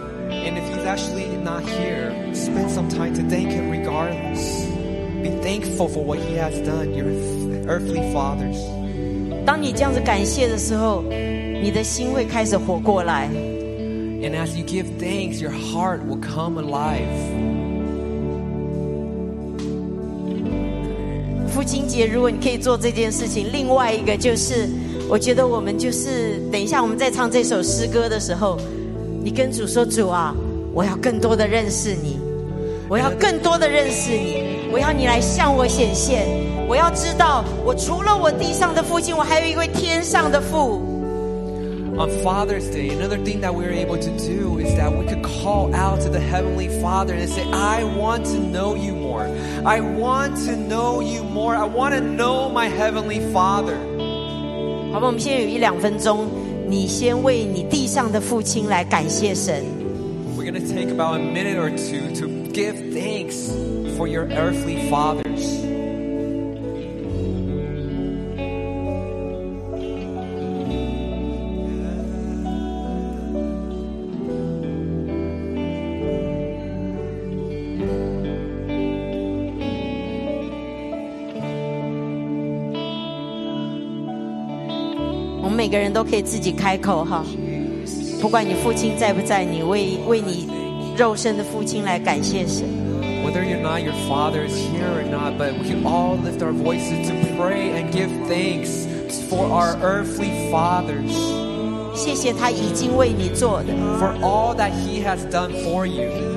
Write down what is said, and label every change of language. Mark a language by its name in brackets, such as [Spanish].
[English] And if he's actually not here, spend some time to thank him regardless. Be thankful for what he has done, your earthly fathers. [Chinese] 当你这样子感谢的时候，你的心会开始活过来。 [English] And as you give thanks, your heart will come alive. [Chinese] 父亲节，如果你可以做这件事情，另外一个就是，我觉得我们就是等一下我们在唱这首诗歌的时候，你跟主说：“主啊，我要更多的认识你，我要更多的认识你，我要你来向我显现。” 我要知道，我除了我地上的父亲，我还有一位天上的父。 [English] On Father's Day, another thing that we were able to do is that we could call out to the Heavenly Father and say, I want to know you more. I want to know you more. I want to know my Heavenly Father. [Chinese] 好吧，我们现在有一两分钟，你先为你地上的父亲来感谢神。 [English] We're going to take about a minute or two to give thanks for your earthly fathers. [Chinese] 每个人都可以自己开口哈，不管你父亲在不在，你为你肉身的父亲来感谢神。 [English] whether or not your Father is here or not, but we can all lift our voices to pray and give thanks for our earthly fathers. [Chinese] 谢谢他已经为你做的, [English] for all that He has done for you.